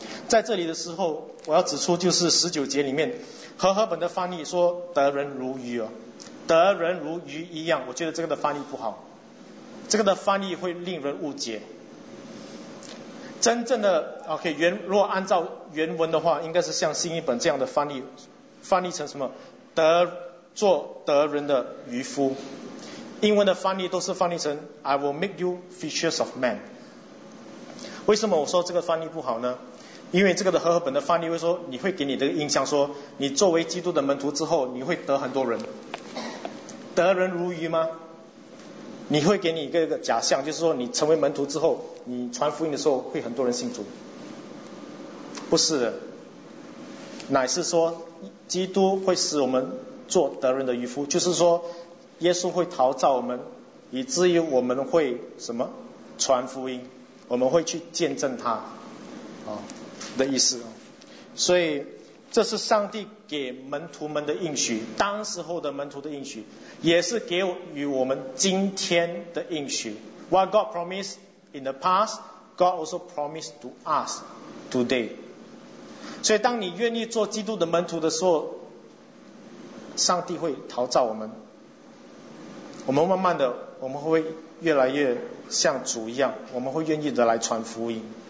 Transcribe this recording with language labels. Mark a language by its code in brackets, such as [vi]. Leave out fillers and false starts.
[zh] 在这里的时候我要指出，就是19节里面和合本的翻译说得人如鱼哦，得人如鱼一样。我觉得这个的翻译不好，这个的翻译会令人误解。真正的 OK， 原如果按照原文的话，应该是像新译本这样的翻译，翻译成什么？得做得人的渔夫。英文的翻译都是翻译成 [en] I will make you fishers of men。 [zh] 为什么我说这个翻译不好呢？因为这个的和合本的翻译会说，你会给你的印象说，你作为基督的门徒之后，你会得很多人，得人如鱼吗？你会给你一个假象，就是说你成为门徒之后，你传福音的时候会很多人信主，不是的，乃是说基督会使我们做得人的渔夫，就是说耶稣会陶造我们，以至于我们会什么传福音，我们会去见证他的意思。所以这是上帝给门徒们的应许，当时候的门徒的应许，也是给予我们今天的应许。 [en] What God promised in the past, God also promised to us today。 [zh] 所以当你愿意做基督的门徒的时候，上帝会陶造我们，我们慢慢的，我们会越来越像主一样，我们会愿意的来传福音。